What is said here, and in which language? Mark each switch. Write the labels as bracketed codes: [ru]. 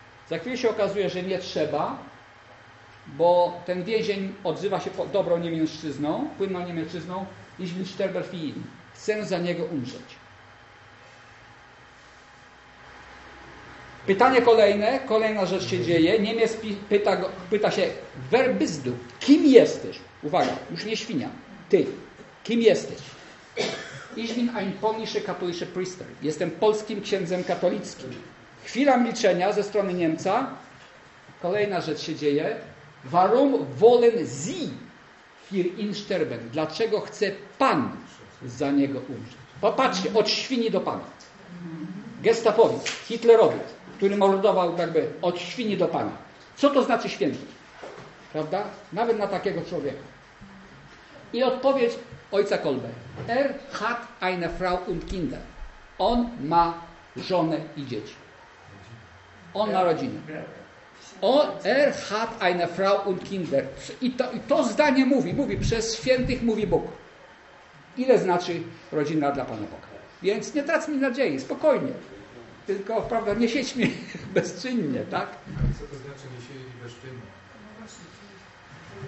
[pl] Za chwilę się okazuje, że nie trzeba, bo ten więzień odzywa się dobrą niemiężczyzną, płynną niemiężczyzną, [de] ich will sterben für ihn. [pl] Chcę za niego umrzeć. Pytanie kolejne, kolejna rzecz się dzieje. Niemiec pyta się: [de] Wer bist du? [pl] Kim jesteś? Uwaga, już nie świnia. Ty, kim jesteś? [de] Ich bin ein polnischer katholischer Priester. [pl] Jestem polskim księdzem katolickim. Chwila milczenia ze strony Niemca. Kolejna rzecz się dzieje. [de] Warum wollen Sie für ihn sterben? [pl] Dlaczego chce Pan za niego umrzeć? Popatrzcie, od świni do Pana. Gestapowiec, hitlerowiec, który mordował jakby od świni do Pana. Co to znaczy święty? Prawda? Nawet na takiego człowieka. I odpowiedź ojca Kolbe. [de] Hat eine Frau und Kinder. [pl] On ma żonę i dzieci. On ma rodzinę. [de] Hat eine Frau und Kinder. [pl] I to zdanie mówi przez świętych mówi Bóg. Ile znaczy rodzina dla Pana Boga? Więc nie trać mi nadziei, spokojnie. Tylko, prawda, nie siedźmy bezczynnie, tak? Co to znaczy nie siedzieć bezczynnie?